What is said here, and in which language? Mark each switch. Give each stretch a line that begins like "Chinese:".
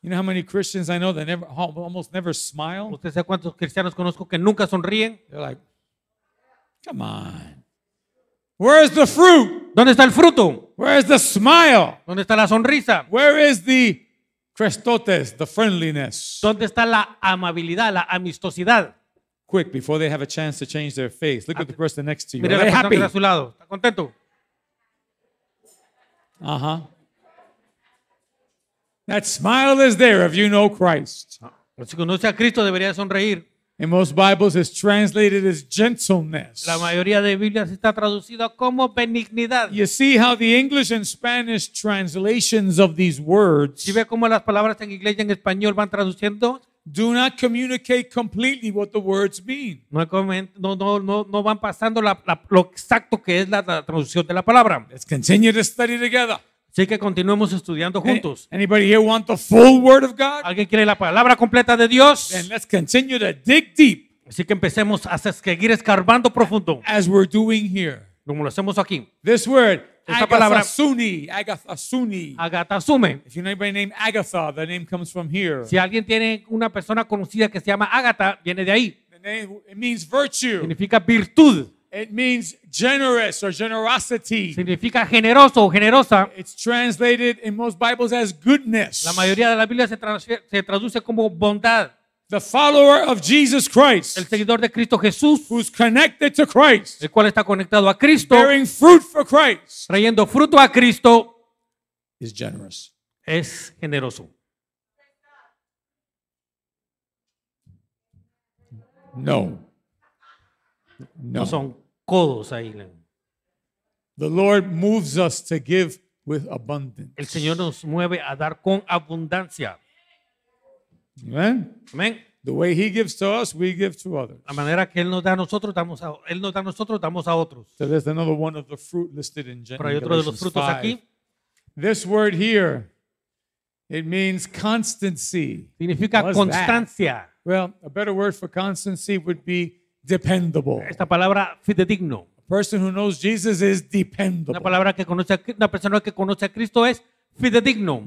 English: You know how many Christians I know that never, almost never smile?
Spanish: ¿Usted sabe cuántos cristianos conozco que nunca sonríen?
English: They're like, come on. Where is the fruit?
Spanish: ¿Dónde está el fruto?
English: Where is the smile?
Spanish: ¿Dónde está la sonrisa?
English: Where is the Christotes, the friendliness.
Spanish: ¿Dónde está la amabilidad, la amistosidad?
English: Quick, before they have a chance to change their face. Look at the person next to you.
Spanish: Mira,
English: are they happy?
Spanish: A su lado. ¿Está contento? Uh-huh.
English: That smile is there if you know Christ.
Spanish: Si conoce a Cristo, debería sonreír.
English: In most Bibles, it's translated as gentleness.
Spanish: La mayoría de Biblias está traducido como benignidad.
English: You see how the English and Spanish translations of these words.
Spanish: ¿Sí ve cómo las palabras en inglés y en español van traduciendo?
English: Do not communicate completely what the words mean.
Spanish: No van pasando lo exacto que es la traducción de la palabra.
English: Let's continue to study together.
Spanish: Así que continuemos estudiando juntos.
English: Anybody here want the full word of God?
Spanish: ¿Alguien quiere la palabra completa de Dios?
English: Then let's continue to dig deep.
Spanish: Así que empecemos a seguir escarbando profundo.
English: As we're doing here.
Spanish: Como lo hacemos aquí.
English: This word.
Spanish: Esta palabra. Agathasuni. Agathasume.
English: If you know anybody named Agatha, the name comes from here.
Spanish: Si alguien tiene una persona conocida que se llama Agatha, viene de ahí.
English: The name, it means virtue.
Spanish: Significa virtud.
English: It means generous or generosity.
Spanish: Significa generoso o generosa.
English: It's translated in most Bibles as goodness.
Spanish: La mayoría de la Biblia se traduce como bondad.
English: The follower of Jesus Christ.
Spanish: El seguidor de Cristo Jesús.
English: Who's connected to Christ.
Spanish: El cual está conectado a Cristo.
English: Bearing fruit for Christ.
Spanish: Trayendo fruto a Cristo.
English: Is generous.
Spanish: Es generoso.
English: No.
Spanish: No son codos ahí.
English: The Lord moves us to give with abundance.
Spanish: El Señor nos mueve a dar con abundancia.
English: Amen.
Spanish: Amen.
English: The way He gives to us, we give to others.
Spanish: La manera que Él nos da a nosotros, damos a Él nos da a nosotros, damos a otros.
English: So there's another one of the fruit listed in Genesis 5.
Spanish: Pero hay otro de los frutos aquí.
English: This word here, it means constancy.
Spanish: Significa constancia.
English: Well, a better word for constancy would be dependable.
Spanish: Esta palabra fidedigno.
English: A person who knows Jesus is dependable.
Spanish: La palabra que conoce a, una persona que conoce a Cristo es fidedigno.